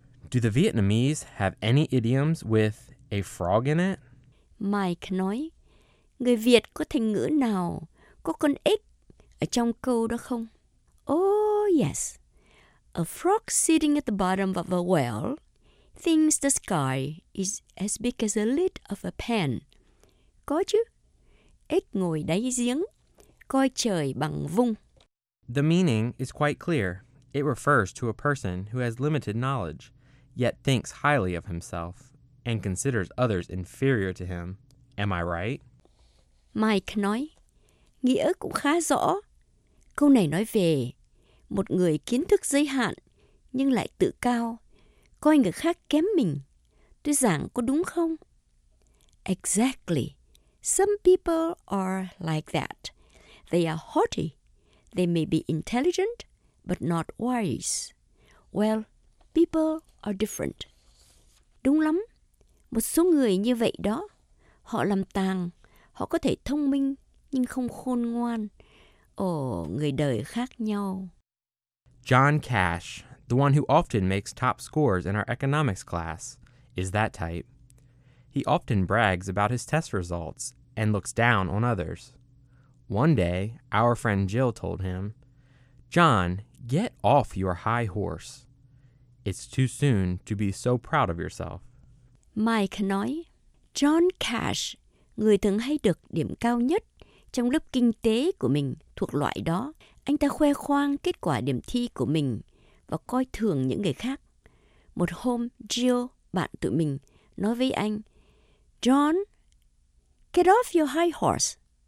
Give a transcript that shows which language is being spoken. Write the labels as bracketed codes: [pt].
[en] Do the Vietnamese have any idioms with a frog in it? [vi] Mike nói, người Việt có thành ngữ nào có con ếch ở trong câu đó không? [en] Oh, yes. A frog sitting at the bottom of a well thinks the sky is as big as the lid of a pan. [vi] Có chứ? ếch ngồi đáy giếng, coi trời bằng vung. [en] The meaning is quite clear. It refers to a person who has limited knowledge, yet thinks highly of himself and considers others inferior to him. Am I right? [vi] Mike nói, nghĩa cũng khá rõ. Câu này nói về một người kiến thức giới hạn nhưng lại tự cao, coi người khác kém mình. Tôi giảng có đúng không? [en] Exactly. Some people are like that. They are haughty. They may be intelligent, but not wise. Well, people are different. [vi] Đúng lắm. Một số người như vậy đó. Họ làm tàng. Họ có thể thông minh, nhưng không khôn ngoan. Ồ, người đời khác nhau. [en] John Cash, the one who often makes top scores in our economics class, is that type. He often brags about his test results and looks down on others. One day, our friend Jill told him, John, get off your high horse. It's too soon to be so proud of yourself. [vi] Mike nói, John Cash, người thường hay được điểm cao nhất trong lớp kinh tế của mình thuộc loại đó, anh ta khoe khoang kết quả điểm thi của mình và coi thường những người khác. Một hôm, Jill, bạn tụi mình, nói với anh, John, [en] get off your high horse.